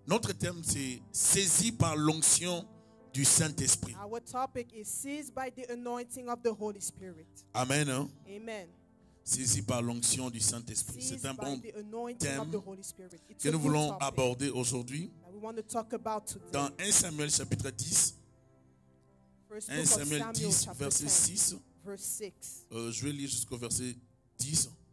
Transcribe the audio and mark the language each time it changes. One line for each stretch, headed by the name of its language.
French: Notre thème, c'est saisi par l'onction du Saint-Esprit.
English: Our topic is seized by the anointing of the Holy Spirit.
French: Amen. Hein? Amen. Saisi par l'onction du Saint-Esprit. C'est un bon thème que nous voulons aborder aujourd'hui. Dans 1 Samuel chapitre 10, 1 Samuel 10, verset 6, je vais lire jusqu'au verset 10.